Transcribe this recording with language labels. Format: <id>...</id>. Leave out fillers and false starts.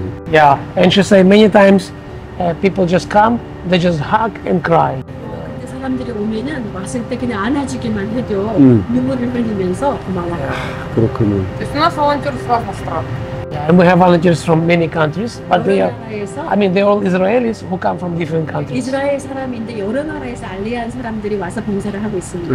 <en>Yeah, and she said many times people just come, they just hug and cry.</en> <ko>근데 사람들이 오면은 왔을 때 그냥 안아주기만 해도 눈물을 흘리면서 고마워요. 그렇군요.</ko> <ru>У нас волонтеров разных стран.</ru> <en>And we have volunteers from many countries, but they are—I mean, they are all Israelis who come from different countries.</en> <ko>Israel 사람인데 여러 나라에서 알리안 사람들이 와서 봉사를 하고 있습니다.</ko>